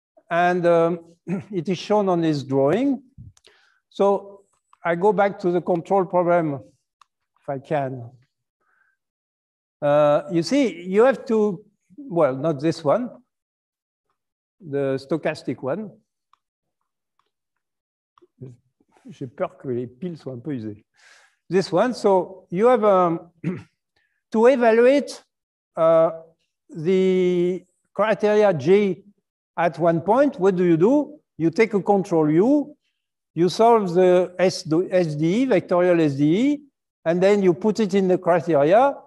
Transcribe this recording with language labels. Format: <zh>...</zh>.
<en>And it is shown on his drawing. So I go back to the control problem, if I can. You see, you have to, well, not this one, the stochastic one.</en> <fr>J'ai peur que les piles soient un peu usées.</fr> <en>This one, so you have to evaluate the criteria G at one point, what do? You take a control U, you solve the SDE, vectorial SDE, and then you put it in the criteria.</en>